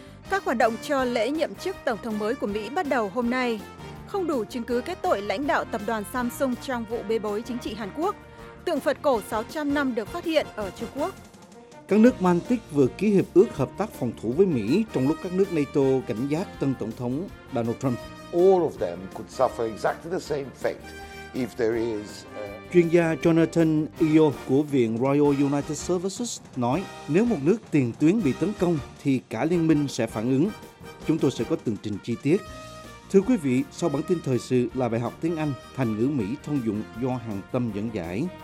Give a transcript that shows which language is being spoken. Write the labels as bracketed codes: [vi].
[vi] Các hoạt động cho lễ nhậm chức Tổng thống mới của Mỹ bắt đầu hôm nay. Không đủ chứng cứ kết tội lãnh đạo tập đoàn Samsung trong vụ bê bối chính trị Hàn Quốc. Tượng Phật cổ 600 năm được phát hiện ở Trung Quốc. Các nước Baltic vừa ký hiệp ước hợp tác phòng thủ với Mỹ, trong lúc các nước NATO cảnh giác tân Tổng thống Donald Trump. [en] All of them could suffer exactly the same fate if there is. [vi] Chuyên gia Jonathan Eo của Viện Royal United Services nói, nếu một nước tiền tuyến bị tấn công thì cả liên minh sẽ phản ứng. Chúng tôi sẽ có tường trình chi tiết. Thưa quý vị, sau bản tin thời sự là bài học tiếng Anh thành ngữ Mỹ thông dụng do Hằng Tâm dẫn giải.